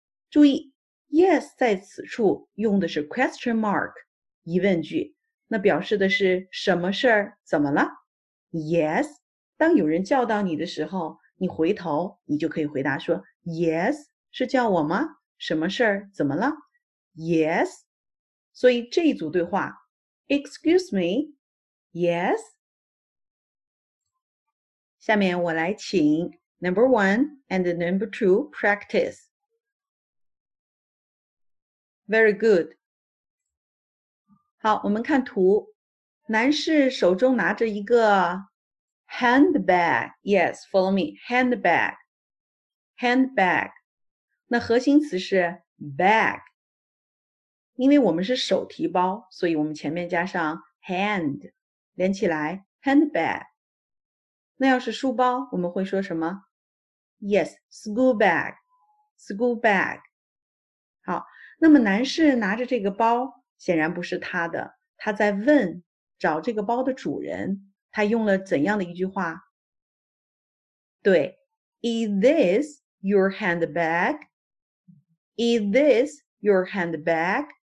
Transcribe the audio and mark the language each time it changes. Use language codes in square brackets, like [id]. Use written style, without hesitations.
[zh] 注意 Yes 在此处用的是 question mark 疑问句那表示的是什么事儿怎么了 [en] Yes [zh] 当有人叫到你的时候你回头你就可以回答说 Yes 是叫我吗什么事儿怎么了 [en] Yes [zh] 所以这一组对话 [en] Excuse me Yes. [zh] 下面我来请 [en] number one and number two practice. Very good. [zh] 好我们看图。男士手中拿着一个 [en] handbag. Yes, follow me. Handbag. Handbag. [zh] 那核心词是 bag. 因为我们是手提包所以我们前面加上 hand. 连起来 handbag 那要是书包我们会说什么 [en] Yes, school bag school bag [zh] 好那么男士拿着这个包显然不是他的他在问找这个包的主人他用了怎样的一句话 [en] 对 Is this your handbag? Is this your handbag?